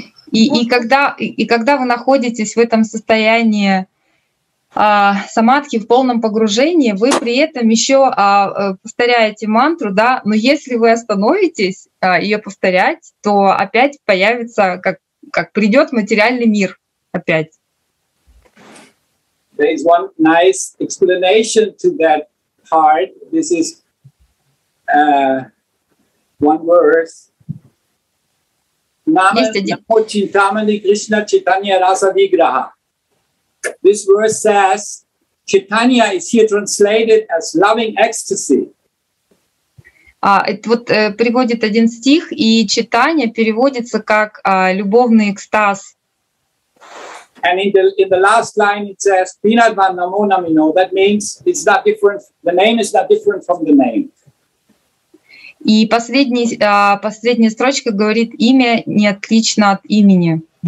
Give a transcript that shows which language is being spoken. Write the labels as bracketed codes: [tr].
[ru] И когда вы находитесь в этом состоянии самадхи в полном погружении, вы при этом еще повторяете мантру, да, но если вы остановитесь ее повторять, то опять появится как придет материальный мир опять. [en] There is one nice explanation to that part. This is one verse. [ru] Есть один. [sa] Чинтамани Кришна Читания Раса Виграха. [en] This verse says, Читания is here translated as loving ecstasy. [ru] Вот приводит один стих, и читание переводится как любовный экстаз. [en] And in the last line it says, [sa] Pinadvan Namo Namino. [en] That means it's not different, the name is not different from the name. [ru] И последняя строчка говорит, имя не отлично от имени.